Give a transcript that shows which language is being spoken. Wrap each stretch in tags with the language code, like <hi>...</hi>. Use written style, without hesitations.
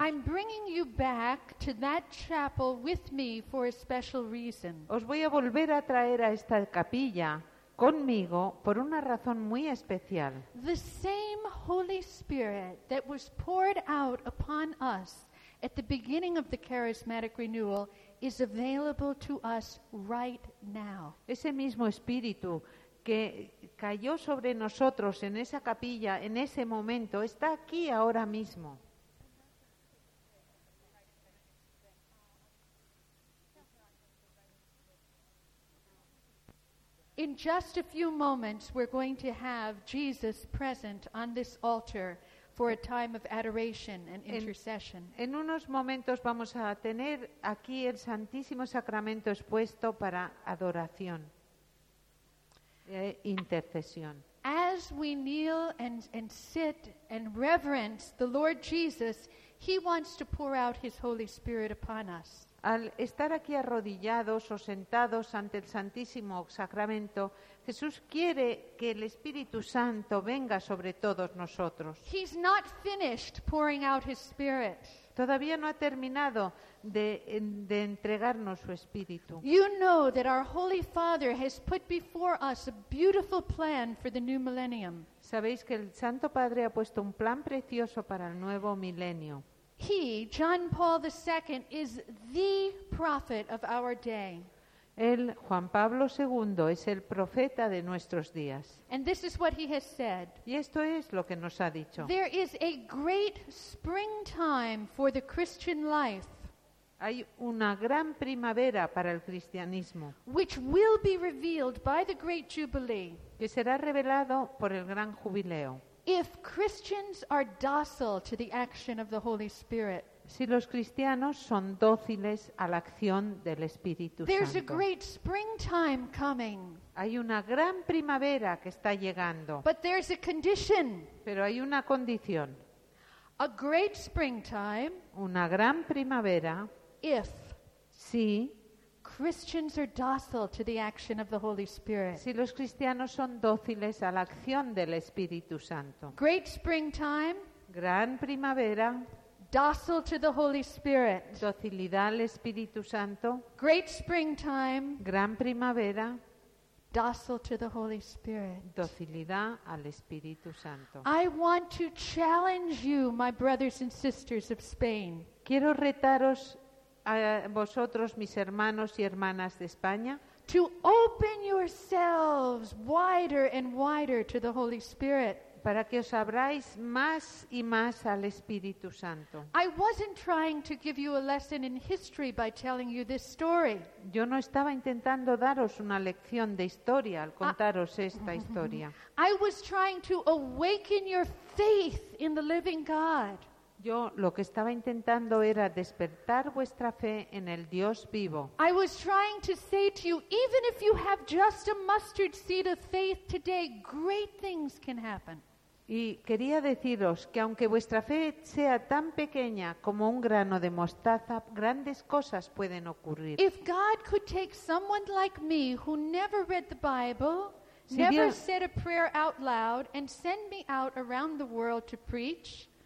<en>I'm bringing you back to that chapel with me for a special reason.</en> <es>Os voy a volver a traer a esta capilla conmigo por una razón muy especial.</es> <en>The same Holy Spirit that was poured out upon us at the beginning of the charismatic renewal is available to us right now.</en> <es>Ese mismo Espíritu que cayó sobre nosotros en esa capilla en ese momento está aquí ahora mismo.</es> <en>In just a few moments we're going to have Jesus present on this altar for a time of adoration and intercession.</en> <es>En unos momentos vamos a tener aquí el Santísimo Sacramento expuesto para adoración. Intercesión.</es> <en>As we kneel and sit and reverence the Lord Jesus, He wants to pour out His Holy Spirit upon us.</en> <es>Al estar aquí arrodillados o sentados ante el Santísimo Sacramento, Jesús quiere que el Espíritu Santo venga sobre todos nosotros.</es> <en>He's not finished pouring out His Spirit.</en> <es>Todavía no ha terminado de entregarnos su Espíritu.</es> <en>You know that our Holy Father has put before us a beautiful plan for the new millennium.</en> <es>Sabéis que el Santo Padre ha puesto un plan precioso para el nuevo milenio.</es> <en>He, John Paul II, is the prophet of our day.</en> <es>Él, Juan Pablo II, es el profeta de nuestros días.</es> <en>And this is what he has said.</en> <es>Y esto es lo que nos ha dicho.</es> <en>There is a great springtime for the Christian life.</en> <es>Hay una gran primavera para el cristianismo,</es> <en>which will be revealed by the great jubilee,</en> <es>que será revelado por el gran jubileo.</es> <en>If Christians are docile to the action of the Holy Spirit,</en> <es>si los cristianos son dóciles a la acción del Espíritu Santo.</es> <en>There's a great springtime coming.</en> <es>Hay una gran primavera que está llegando.</es> <en>But there's a condition.</en> <es>Pero hay una condición.</es> <en>A great springtime,</en> <es>una gran primavera,</es> <en>if</en> <es>si</es> <en>Christians are docile to the action of the Holy Spirit.</en> <es>Si los cristianos son dóciles a la acción del Espíritu Santo.</es> <en>Great springtime,</en> <es>gran primavera,</es> <en>docile to the Holy Spirit.</en> <es>Docilidad al Espíritu Santo.</es> <en>Great springtime,</en> <es>gran primavera,</es> <en>docile to the Holy Spirit.</en> <es>Docilidad al Espíritu Santo.</es> <en>I want to challenge you, my brothers and sisters of Spain.</en> <es>Quiero retaros a vosotros, mis hermanos y hermanas de España,</es> <en>to open yourselves wider and wider to the Holy Spirit.</en> <es>Para que os abráis más y más al Espíritu Santo.</es> <en>I wasn't trying to give you a lesson in history by telling you this story.</en> <es>Yo no estaba intentando daros una lección de historia al contaros esta historia.</es> <en>I was trying to awaken your faith in the living God.</en> <es>Yo lo que estaba intentando era despertar vuestra fe en el Dios vivo.</es> <en>I was trying to say to you, even if you have just a mustard seed of faith today, great things can happen.</en> <es>Y quería deciros que aunque vuestra fe sea tan pequeña como un grano de mostaza, grandes cosas pueden ocurrir.</es> <en>If God could take someone like me who never read the Bible, never said a prayer out loud, and send me out around the world to preach.</en>